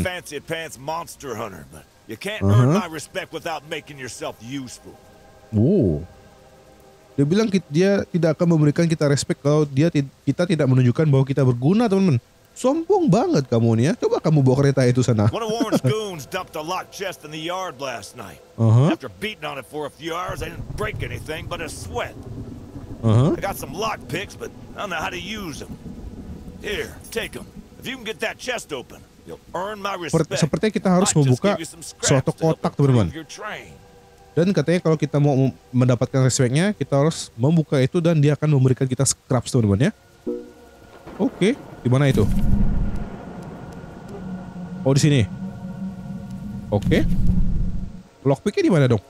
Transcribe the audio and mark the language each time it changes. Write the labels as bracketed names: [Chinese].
[English] Fancy pants monster hunter, but you can't earn my respect without making yourself useful. Oh. [Indonesian] Dia bilang dia tidak akan memberikan kita respect kalau kita tidak menunjukkan bahwa kita berguna, teman-teman. Sombong banget kamu nih ya. Coba kamu bawa kereta itu sana. [English] One of Warren's goons dumped a locked chest in the yard last night. After beating on it for a few hours, I didn't break anything but a sweat. I got some lock picks, but I don't know how to use them. Here, take them. If you can get that chest open, you'll earn my respect. [Indonesian] Sepertinya kita harus membuka suatu kotak, teman-teman. Dan katanya kalau kita mau mendapatkan respectnya, kita harus membuka itu dan dia akan memberikan kita scraps, teman-teman ya. Oke, di mana itu? Oh, di sini. Oke. Lockpicknya di mana dong?